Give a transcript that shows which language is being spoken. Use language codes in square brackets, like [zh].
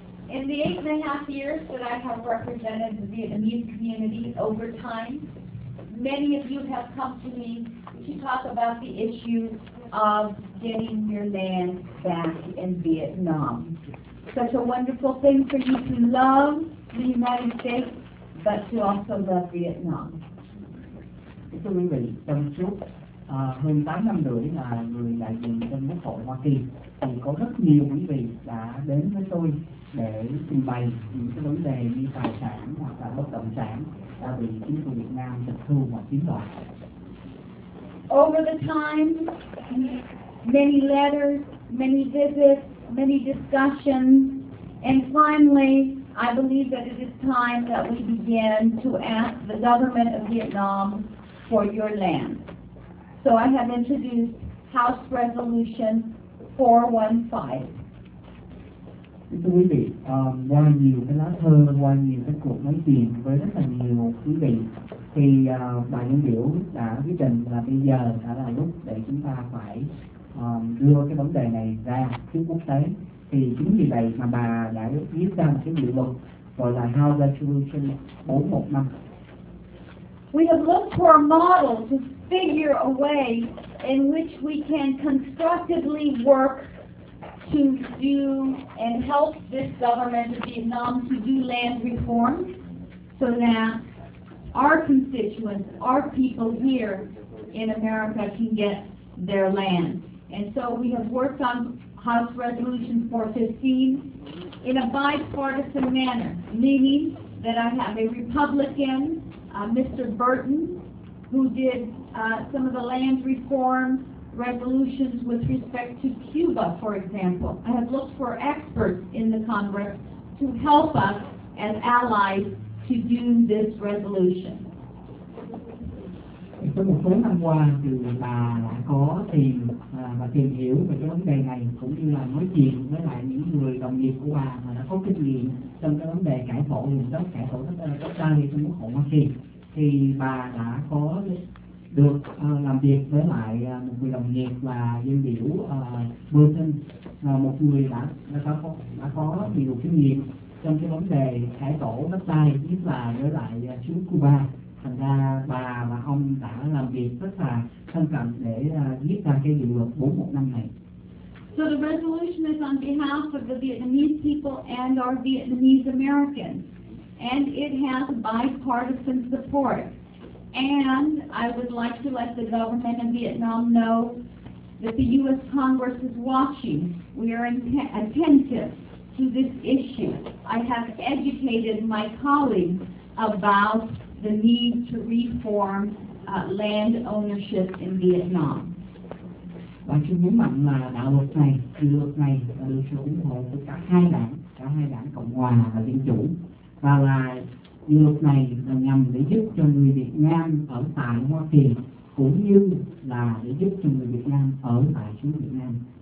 [en] In the 8.5 years that I have represented the Vietnamese community over time, many of you have come to me to talk about the issue of getting your land back in Vietnam. Such a wonderful thing for you to love the United States, but to also love Vietnam. [vi] Thưa quý vị, trong suốt hơn 8 năm rưỡi là người đại diện trong Quốc hội Hoa Kỳ, thì có rất nhiều quý vị đã đến với tôi để trình bày những cái vấn đề như tài sản hoặc là bất động sản đã bị chính phủ Việt Nam tịch thu hoặc chiếm đoạt. [en] Over the time, many letters, many visits, many discussions, and finally, I believe that it is time that we begin to ask the government of Vietnam for your land. So I have introduced House Resolution 415. [vi] Thưa quý vị, qua nhiều cái lá thư, qua nhiều cái cuộc nói chuyện với rất là nhiều quý vị, thì bài nhân biểu đã quyết định là bây giờ đã là lúc để chúng ta phải đưa cái vấn đề này ra trước quốc tế. Thì chính vì vậy mà bà đã viết ra một cái dự luật gọi là House Resolution 415. [en] We have looked for a model to figure a way in which we can constructively work to do and help this government of Vietnam to do land reform so that our constituents, our people here in America can get their land. And so we have worked on House Resolution 415 in a bipartisan manner, meaning that I have a Republican, Mr. Burton, who did some of the land reform resolutions with respect to Cuba, for example. I have looked for experts in the Congress to help us as allies to do this resolution. [vi] Trong một số năm qua, thì bà đã có tìm hiểu về cái vấn đề này, cũng như là nói chuyện với lại những người đồng nghiệp của bà mà đã có kinh nghiệm trong cái vấn đề cải tổ nguồn đất, cải tổ đất đai trong Quốc hội Hoa Kỳ. Thì bà đã có được làm việc với lại một người đồng nghiệp và dân biểu Burton, một người đã có nhiều kinh nghiệm trong cái vấn đề cải tổ đất đai, nhất là với lại xứ Cuba. Thành ra bà và ông đã làm việc rất là thân cận để viết ra cái dự luật 415 này. [en] So the resolution is on behalf of the Vietnamese people and our Vietnamese Americans, and it has bipartisan support. And I would like to let the government of Vietnam know that the U.S. Congress is watching. We are attentive to this issue. I have educated my colleagues about the need to reform land ownership in Vietnam. [vi] Bạn xin nhấn mạnh là đạo luật này, dự luật này là được sự ủng hộ của cả hai đảng Cộng Hòa và Dân Chủ. Và là dự luật này là nhằm để giúp cho người Việt Nam ở tại Hoa Kỳ, cũng như là để giúp cho người Việt Nam ở tại xứ Việt Nam.